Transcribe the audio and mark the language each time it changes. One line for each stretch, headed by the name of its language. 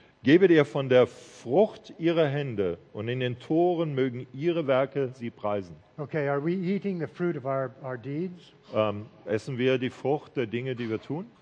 German: Gebet ihr von der Frucht ihrer Hände und in den Toren mögen ihre Werke sie preisen.
English: Okay, are we eating the fruit of our deeds?
German: Essen wir die Frucht der Dinge, die wir tun?